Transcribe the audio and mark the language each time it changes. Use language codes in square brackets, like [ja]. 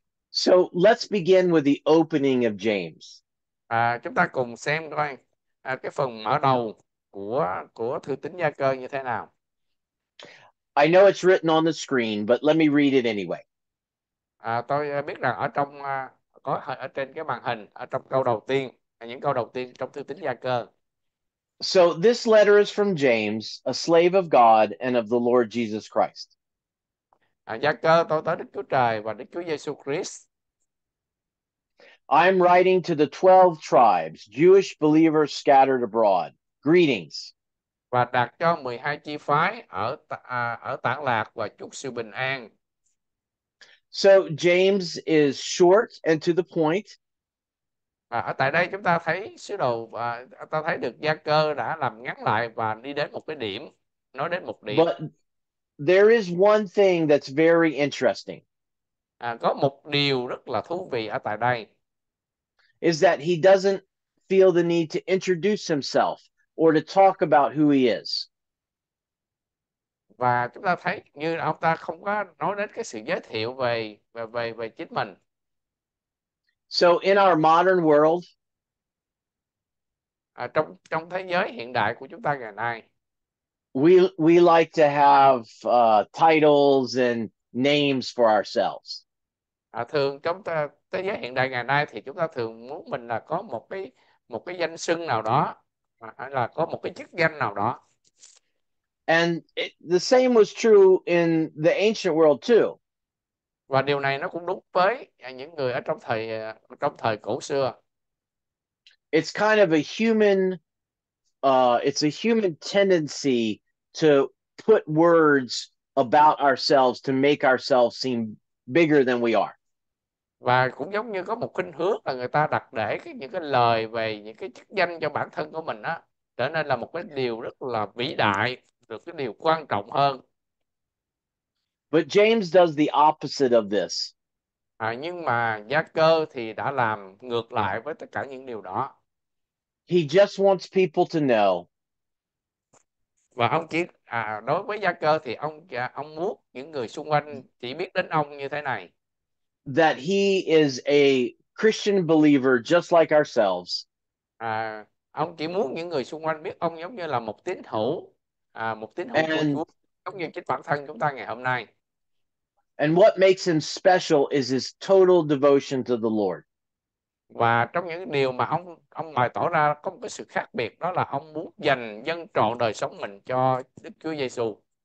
[en] So let's begin with the opening of James. [vi] À, chúng ta cùng xem coi cái phần mở đầu của thư tín Gia Cơ như thế nào. [en] I know it's written on the screen, but let me read it anyway. [vi] À, tôi biết rằng ở trong có ở trên cái màn hình ở trong câu đầu tiên những câu đầu tiên trong thư tín Gia Cơ. [en] So this letter is from James, a slave of God and of the Lord Jesus Christ. [vi] À, Gia Cơ, tôi tới Đức Chúa Trời và Đức Chúa Giêsu Christ. [en] I'm writing to the 12 tribes, Jewish believers scattered abroad. Greetings. [vi] Và đặt cho 12 chi phái ở ở tản lạc và chúc sự bình an. [en] So James is short and to the point. [vi] À, ở tại đây chúng ta thấy sứ đồ và ta thấy được Gia Cơ đã làm ngắn lại và đi đến một cái điểm, nói đến một điểm. [en] But there is one thing that's very interesting. [vi] À, có một điều rất là thú vị ở tại đây. [en] Is that he doesn't feel the need to introduce himself or to talk about who he is. [vi] Và chúng ta thấy như ông ta không có nói đến cái sự giới thiệu về về về về chính mình. [en] So in our modern world, [vi] À, trong trong thế giới hiện đại của chúng ta ngày nay. [en] we like to have titles and names for ourselves. [vi] À, thường trong ta, thế giới hiện đại ngày nay thì chúng ta thường muốn mình là có một cái danh xưng nào đó hay là có một cái chức danh nào đó. [en] And the same was true in the ancient world too. [vi] Và điều này nó cũng đúng với những người ở trong thời cổ xưa. [en] It's kind of a human, it's a human tendency to put words about ourselves to make ourselves seem bigger than we are. [vi] Và cũng giống như có một khuynh hướng là người ta đặt để những cái lời về những cái chức danh cho bản thân của mình á trở nên là một cái điều rất là vĩ đại, được cái điều quan trọng hơn. [en] But James does the opposite of this. [vi] À, nhưng mà Gia Cơ thì đã làm ngược lại với tất cả những điều đó. [en] He just wants people to know. [vi] Và ông chỉ à, đối với Gia Cơ thì ông muốn những người xung quanh chỉ biết đến ông như thế này. [en] That he is a Christian believer just like ourselves. [vi] À, ông chỉ muốn những người xung quanh biết ông giống như là một tín hữu của [en] And [vi] Chúa, giống như chính bản thân chúng ta ngày hôm nay. [en] what makes him special is his total devotion to the Lord. [vi] Và trong những điều mà ông bày tỏ ra có một cái sự khác biệt, đó là ông muốn dành dâng trọn đời sống mình cho Đức Chúa Giêsu.